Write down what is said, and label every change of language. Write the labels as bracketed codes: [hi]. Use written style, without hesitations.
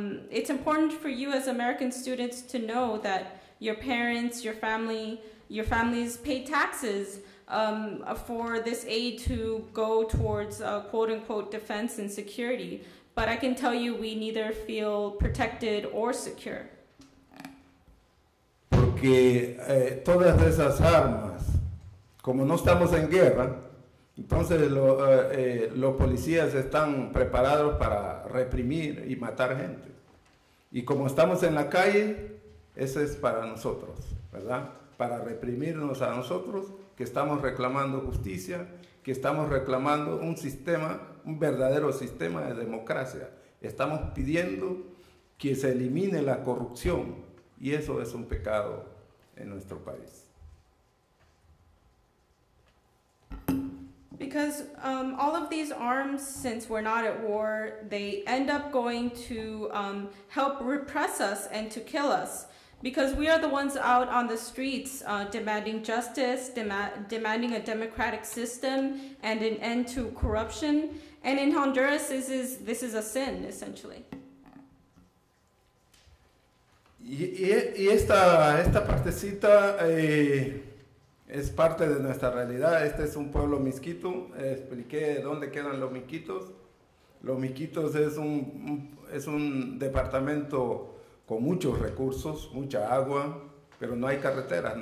[en] It's important for you as American students to know that your parents, your family, your families pay taxes for this aid to go towards quote unquote defense and security. But I can tell you we neither feel protected or secure. [es] Que todas esas armas, como no estamos en guerra, entonces los policías están preparados para reprimir y matar gente. Y como estamos en la calle, eso es para nosotros, ¿verdad? Para reprimirnos a nosotros, que estamos reclamando justicia, que estamos reclamando un sistema, un verdadero sistema de democracia. Estamos pidiendo que se elimine la corrupción, y eso es un pecado. [en] In our country. Because all of these arms, since we're not at war, they end up going to help repress us and to kill us. Because we are the ones out on the streets demanding justice, demanding a democratic system, and an end to corruption. And in Honduras, this is a sin, essentially. [es] Y esta partecita es parte de nuestra realidad. Este es un pueblo miskito. Expliqué dónde quedan los miskitos. Los miskitos es un departamento con muchos recursos, mucha agua, pero no hay carreteras.